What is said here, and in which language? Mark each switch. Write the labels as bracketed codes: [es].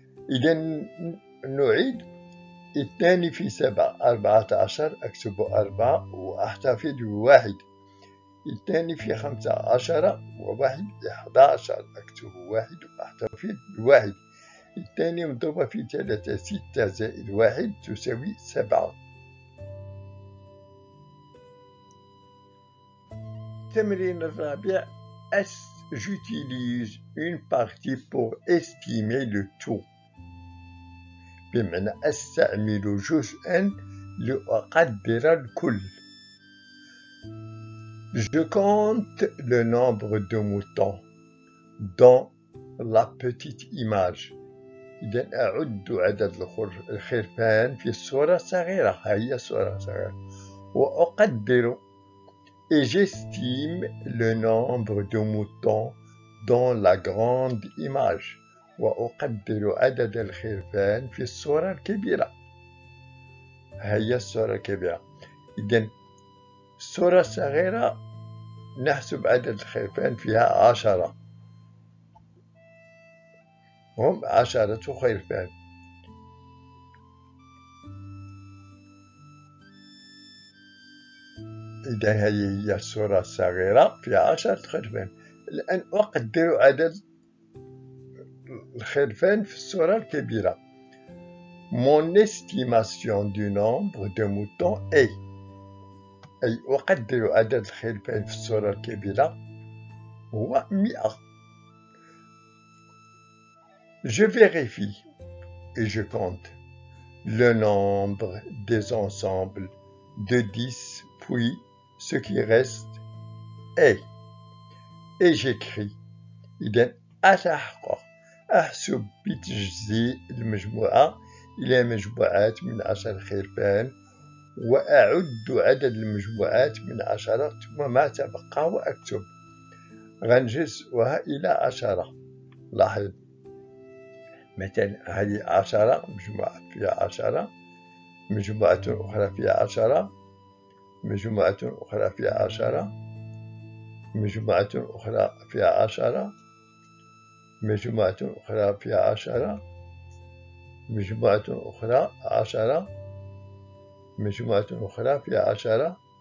[ar] إذن نعيد 2 في 7 14، أكتب 4 وأحتفظ بواحد، 2 في 5 10 وواحد 11، أكتب 1 وأحتفظ بواحد، 2 مضروبة في 3 6 زائد 1 تساوي 7. التمرين الرابع، [fr] j'utilise une partie pour estimer le tout. [ar] بمعنى استعمل جزءا لأقدر الكل. [fr] Je compte le nombre de moutons dans la petite image. [ar] إذن أعد عدد الخرفان في صورة صغيرة، هي صورة صغيرة. وأقدر [fr] et j'estime le nombre de moutons dans la grande image. [ar] وأقدر عدد الخرفان في الصورة الكبيرة، هي الصورة الكبيرة. إذن صورة صغيرة نحسب عدد الخرفان فيها 10، هم 10 خرفان. إذا هذه هي الصورة الصغيرة فيها 10 خرفان. الآن أقدر عدد الخرفان في الصورة الكبيرة. [fr] Mon estimation du nombre de moutons est، [ar] أي أقدر عدد الخرفان في الصورة الكبيرة، هو 100. [fr] Je vérifie et je compte le nombre des ensembles de 10, puis ce qui reste est. Et j'écris. [ar] إذن أتحقق، أحسب بتجزي المجموعة إلى مجموعات من 10 خرفان، وأعد عدد المجموعات من 10 وما تبقى وأكتب. غنجزها إلى 10. لاحظ مثلا هذه 10 مجموعة فيها 10، مجموعة أخرى فيها 10، مجموعة أخرى فيها 10، مجموعة أخرى فيها 10، مجموعة أخرى فيها 10، مجموعة أخرى 10، مجموعة أخرى فيها 10،